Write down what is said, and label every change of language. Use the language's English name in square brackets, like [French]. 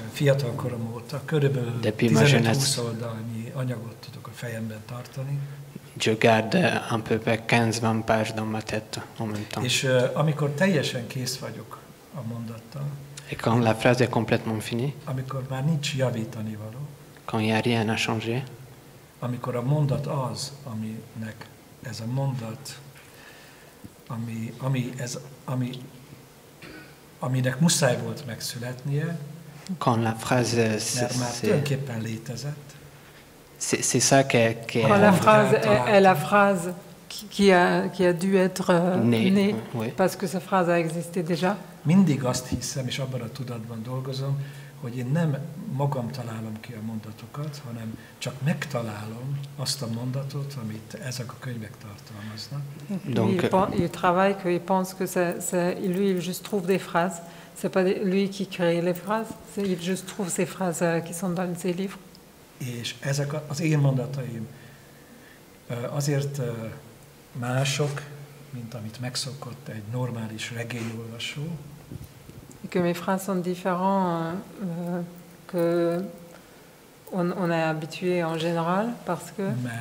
[Hungarian] Fiatal korom óta, körülbelül 15-20 oldalnyi anyagot tudok a fejemben tartani. [French] Je garde à peu près 15-20 pages dans ma tête en même temps. [Hungarian] És amikor teljesen kész vagyok a mondattal. [French] Et quand la phrase est complètement finie. [Hungarian] Amikor már nincs javítani való. [French] Quand il n'y a rien à changer. [Hungarian] Amikor a mondat az, aminek ez a mondat, ami ez, ami aminek muszáj volt megszületnie. [French] Quand la phrase [Hungarian] mert már tulajdonképpen létezett. [French] C'est ça que que quand la phrase est la phrase qui a dû être née oui. Parce que sa phrase a existé déjà. [Hungarian] Mindig azt hiszem, és abban a tudatban dolgozom, hogy én nem magam találom ki a mondatokat, hanem csak megtalálom azt a mondatot, amit ezek a könyvek tartalmaznak. [French] Donc il travaille que il pense que c'est lui il juste trouve des phrases, c'est pas lui qui crée les phrases, c'est il juste trouve ces phrases qui sont dans ces livres. [Hungarian] És ezek az én mondataim azért mások, mint amit megszokott egy normális regényolvasó. [French] Et que mes phrases sont différentes que on est habitué en général parce que